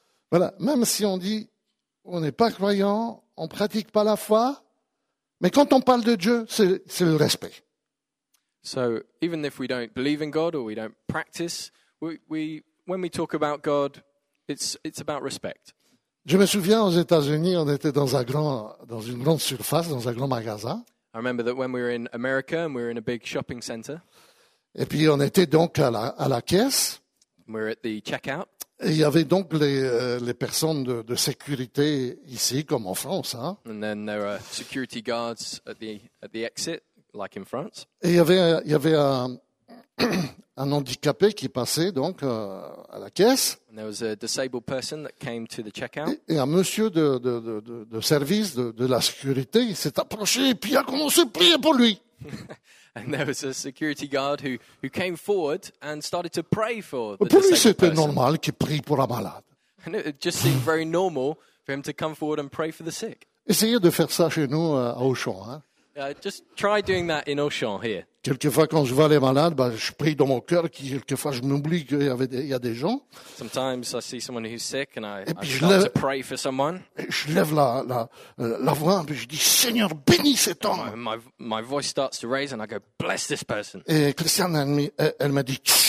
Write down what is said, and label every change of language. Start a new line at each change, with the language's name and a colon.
French: Voilà, même si on dit, on n'est pas croyant, on ne pratique pas la foi, mais quand on parle de Dieu, c'est le respect.
English: So, even if we don't believe in God or we don't practice, when we talk about God, it's about respect.
French: Je me souviens, aux États-Unis, on était dans une grande surface, dans un grand magasin.
English: I remember that when we were in America and we were in a big shopping center.
French: Et puis on était donc à la caisse.
English: We were at the checkout.
French: Et il y avait donc les personnes de sécurité ici, comme en France, hein.
English: And then there were security guards at the exit, like in France.
French: Et il y avait un handicapé qui passait donc à la caisse.
English: And there was a disabled person that came to the checkout.
French: Et un monsieur de service de la sécurité s'est approché et puis a commencé à prier pour lui.
English: And there was a security guard who came forward and started to pray for the disabled person.
French: Pour lui, c'était normal qu'il prie pour un malade.
English: And it just seemed very normal for him to come forward and pray for the sick.
French: Essayez de faire ça chez nous à Auchan, hein.
English: Just try doing that in Auchan here.
French: Quelquefois, quand je vois les malades, ben, je prie dans mon cœur. Quelquefois, je m'oublie qu'il y a des gens.
English: Sometimes I see someone who's sick and I start to pray for someone.
French: Et je lève la voix et je dis, Seigneur, bénis cet homme.
English: My voice starts to raise and I go, bless this person.
French: Et Christiane, elle m'a dit,